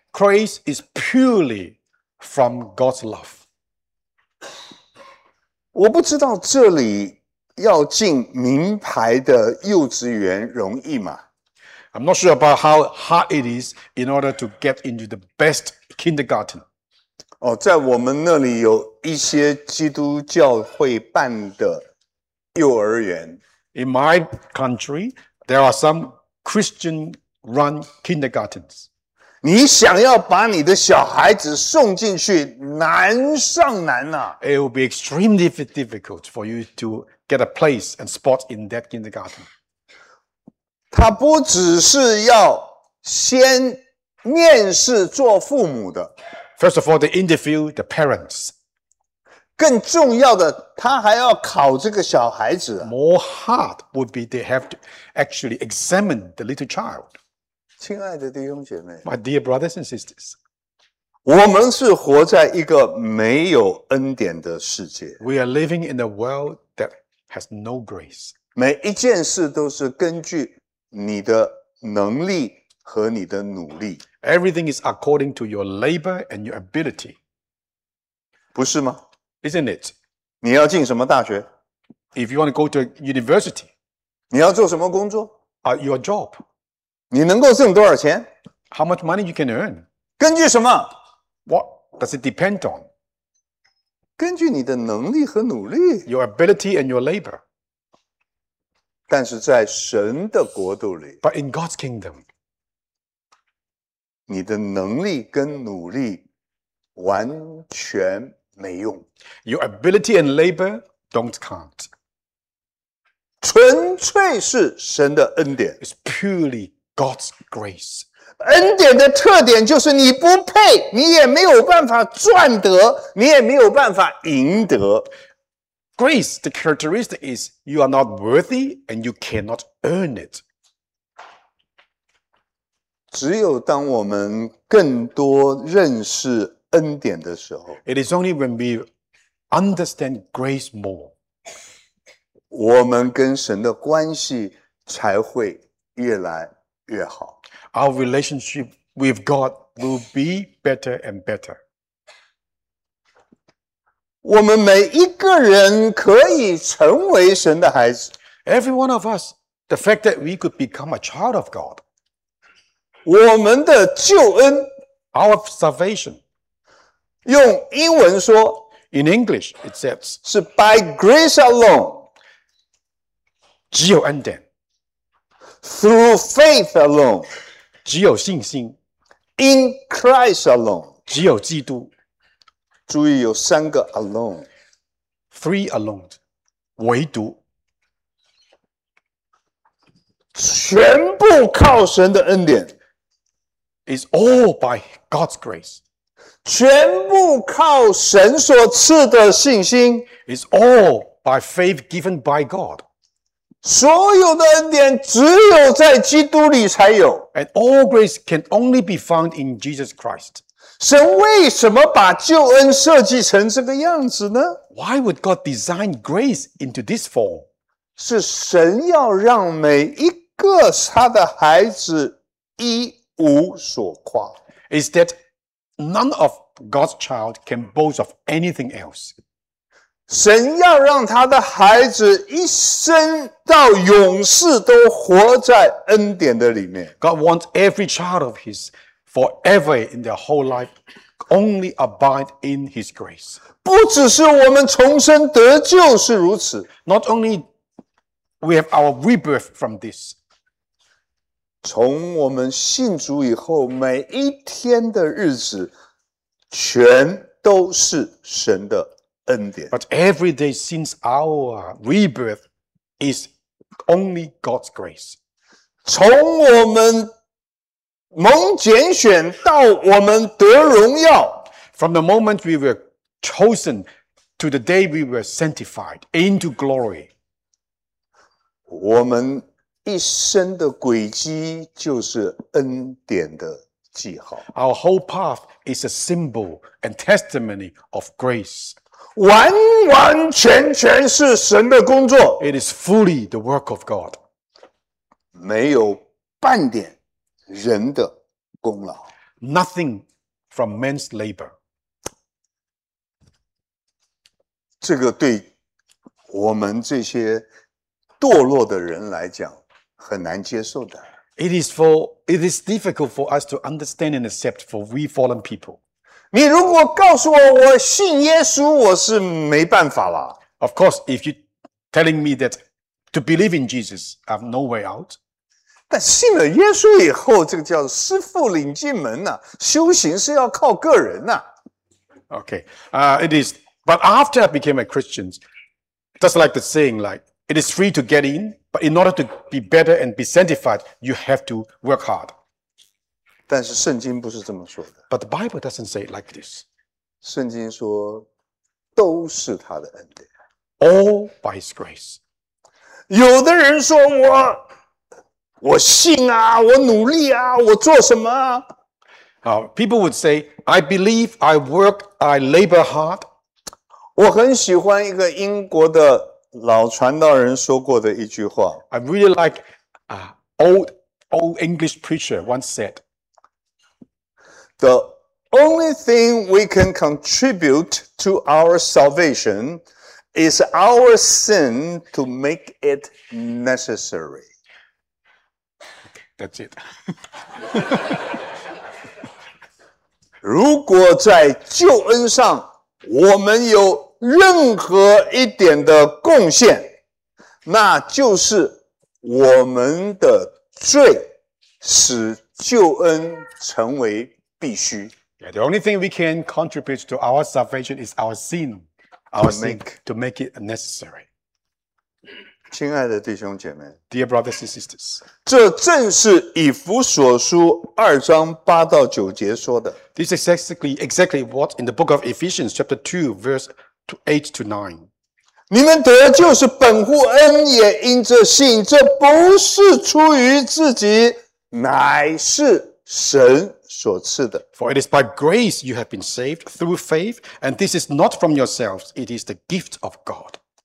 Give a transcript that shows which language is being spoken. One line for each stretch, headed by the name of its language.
English: Grace is purely from God's love.
Chinese: 我不知道这里要进名牌的幼稚园容易吗？
English: I'm not sure about how hard it is in order to get into the best kindergarten.
Chinese: 哦，在我们那里有一些基督教会办的幼儿园。
English: In my country, there are some Christian-run kindergartens.
Chinese: 你想要把你的小孩子送进去，难上难啊。
English: It will be extremely difficult for you to. Get a place and spot in that kindergarten.
Chinese: 他不只是要先面试做父母的。
English: First of all, they interview the parents.
Chinese: 更重要的，他还要考这个小孩子。
English: More hard would be they have to actually examine the little child.
Chinese: 亲爱的弟兄姐妹
English: My dear brothers and sisters.
Chinese: 我们是活在一个没有恩典的世界。
English: We are living in a world that has no grace.
Chinese: 每一件事都是根据你的能力和你的努力。
English: Everything is according to your labor and your ability.
Chinese: 不是吗？
English: Isn't it?
Chinese: 你要进什么大学？
English: If you want to go to university.
Chinese: 你要做什么工作？
English: Your job.
Chinese: 你能够挣多少钱？
English: How much money you can earn?
Chinese: 根据什么？
English: What does it depend on?
Chinese: 根据你的能力和努力。
English: Your ability and your labor.
Chinese: 但是在神的国度里。
English: But in God's kingdom.
Chinese: 你的能力跟努力完全没用。
English: Your ability and labor don't count.
Chinese: 纯粹是神的恩典。
English: It's purely God's grace.
Chinese: 恩典的特点就是你不配，你也没有办法赚得，你也没有办法赢得。
English: Grace, the characteristic is you are not worthy and you cannot earn it.
Chinese: 只有当我们更多认识恩典的时候
English: ，It is only when we understand grace more,
Chinese: 我们跟神的关系才会越来越好。
English: Our relationship with God will be better and better.
Chinese: 我们每一个人可以成为神的孩子。
English: Every one of us, the fact that we could become a child of God.
Chinese: 我们的救恩
English: Our salvation.
Chinese: 用英文说
English: In English, it says,
Chinese: 是
English: by grace alone.
Chinese: 只有恩典
English: Through faith alone.
Chinese: 只有信心
English: In Christ alone
Chinese: 只有基督注意有三个
English: alone Three alone
Chinese: 唯独全部靠神的恩典
English: It's all by God's grace
Chinese: 全部靠神所赐的信心
English: It's all by faith given by God
Chinese: 所有的恩典只有在基督里才有。
English: And all grace can only be found in Jesus Christ.
Chinese: 神为什么把救恩设计成这个样子呢
English: ？Why would God design grace into this form?
Chinese: 是神要让每一个他的孩子一无所夸。
English: Is that none of God's child can boast of anything else?
Chinese: 神要让他的孩子一生到永世都活在恩典的里面。
English: God wants every child of his forever in their whole life only abide in his grace.
Chinese: 不只是我们重生得救是如此。
English: Not only we have our rebirth from this.
Chinese: 从我们信主以后每一天的日子全都是神的。
English: But every day since our rebirth is only God's grace.
Chinese: 从我们蒙拣选到我们得荣耀
English: From the moment we were chosen to the day we were sanctified into glory.
Chinese: 我们一生的轨迹就是恩典的记号
English: Our whole path is a symbol and testimony of grace.
Chinese: 完完全全是神的工作。
English: It is fully the work of God.
Chinese: 没有半点人的功劳。
English: Nothing from man's labor.
Chinese: 这个对我们这些堕落的人来讲很难接受的。
English: It is difficult for us to understand and accept for we fallen people.
Chinese: 你如果告诉我我信耶稣我是没办法啦。
English: Of course, if you're telling me that to believe in Jesus, I have no way out.
Chinese: 但信了耶稣以后这个叫师父领进门啊修行是要靠个人啊。
English: Okay, it is, but after I became a Christian, just like the saying, like, it is free to get in, but in order to be better and be sanctified, you have to work hard.
Chinese: 但是圣经不是这么说的。
English: But the Bible doesn't say it like this.
Chinese: 圣经说都是他的恩典。
English: All by his grace.
Chinese: 有的人说我信啊我努力啊我做什么啊。
English: People would say, I believe, I work, I labor hard.
Chinese: 我很喜欢一个英国的老传道人说过的一句话。
English: I really like an old English preacher once said, The only thing we can contribute to our salvation is our sin to make it necessary. That's it.
Chinese: 如果在救恩上我们有任何一点的贡献，那就是我们的罪使救恩成为必须。
English: Yeah, the only thing we can contribute to our salvation is our sin, our sin to make it necessary.
Chinese: 亲爱的弟兄姐妹
English: ，Dear brothers and sisters，
Chinese: 这正是以弗所书二章八到九节说的。
English: This is exactly what in the book of Ephesians chapter 2 verse 8 to 9.
Chinese: 你们得救是本乎恩，也因着信，这不是出于自己，乃是神所赐的。
English: For it is by grace you have been saved through faith, and this is not from yourselves; it is the gift of God.